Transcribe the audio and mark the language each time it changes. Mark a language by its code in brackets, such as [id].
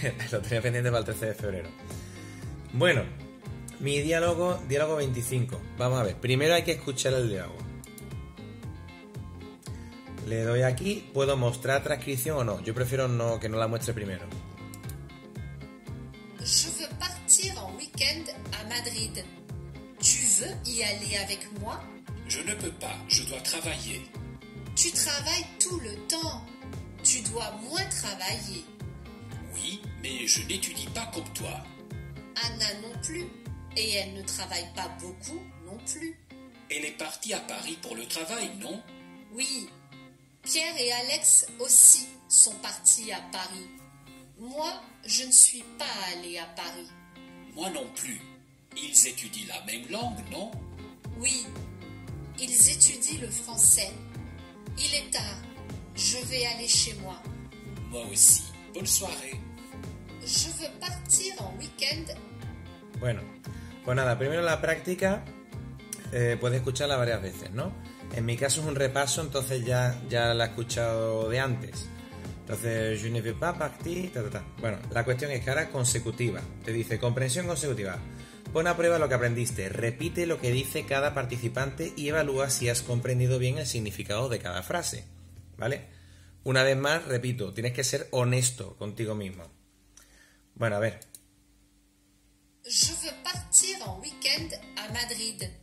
[es] Lo tenía pendiente para el 13 de febrero. Bueno, mi diálogo, diálogo 25. Vamos a ver, primero hay que escuchar el diálogo. Le doy aquí, puedo mostrar transcripción o no. Yo prefiero no, que no la muestre primero. [fr] Je veux partir en weekend à Madrid. Tu veux y aller avec moi? Je ne peux pas, je dois travailler. Tu travailles tout le temps. Tu dois moins travailler. Oui, mais je n'étudie pas comme toi. Anna non plus. Et elle ne travaille pas beaucoup non plus. Elle est partie à Paris pour le travail, non? Oui. Pierre et Alex aussi sont partis à Paris. Moi, je ne suis pas allée à Paris. Moi non plus. Ils étudient la même langue, non? Oui. Ils étudient le français. Il est tard. Je vais aller chez moi. Moi aussi. Bonne soirée. Je veux partir en weekend. [es] Bueno, pues nada, primero la práctica, puedes escucharla varias veces, ¿no? En mi caso es un repaso, entonces ya la he escuchado de antes. Entonces, [fr] je ne veux pas partir, [es] ta, ta, ta. Bueno, la cuestión es que ahora consecutiva. Te dice, comprensión consecutiva. Pon a prueba lo que aprendiste. Repite lo que dice cada participante y evalúa si has comprendido bien el significado de cada frase. ¿Vale? Una vez más, repito, tienes que ser honesto contigo mismo. Bueno, a ver. [fr] Je veux partir en weekend à Madrid.